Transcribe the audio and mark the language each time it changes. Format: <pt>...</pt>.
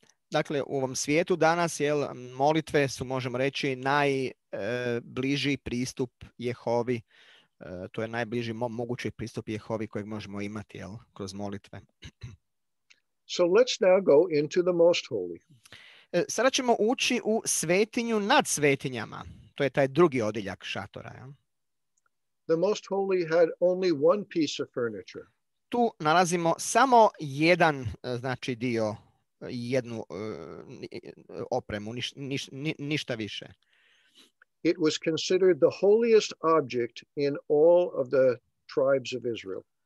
<hr>Dakle, u ovom svijetu danas, jel, molitve su, možemo reći, najbliži pristup Jehovi. To je najbliži mogući pristup Jehovi kojeg možemo imati, jel, kroz molitve.</hr> <en>So let's now go into the most holy.</en> <hr>Sada ćemo ući u svetinju nad svetinjama. To je taj drugi odjeljak šatora, jel?</hr> <en>The most holy had only one piece of furniture.</en> <hr>Tu nalazimo samo jedan, znači dio, jednu opremu, ništa više.</hr> <en>It was considered the holiest object in all of the tribes of Israel.</en>